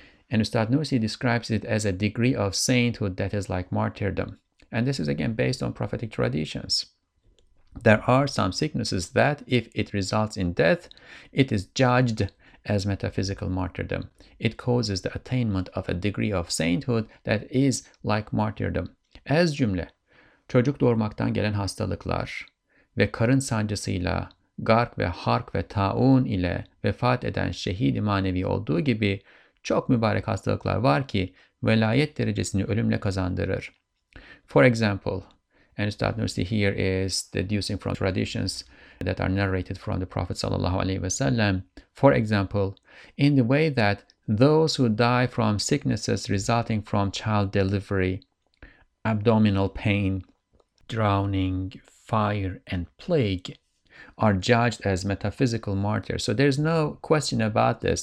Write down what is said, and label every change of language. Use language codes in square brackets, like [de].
[en] And Ustad Nursi describes it as a degree of sainthood that is like martyrdom. And this is again based on prophetic traditions. There are some sicknesses that, if it results in death, it is judged as metaphysical martyrdom. It causes the attainment of a degree of sainthood that is like martyrdom. [tr] Ez cümle, çocuk doğurmaktan gelen hastalıklar ve karın sancısıyla, gark ve hark ve taun ile vefat eden şehid-i manevi olduğu gibi çok mübarek hastalıklar var ki velayet derecesini ölümle kazandırır. [en] For example, Aristotle University here is deducing from traditions that are narrated from the Prophet sallallahu alaihi wasallam. For example, in the way that those who die from sicknesses resulting from child delivery, abdominal pain, drowning, fire, and plague are judged as metaphysical martyrs. So there's no question about this.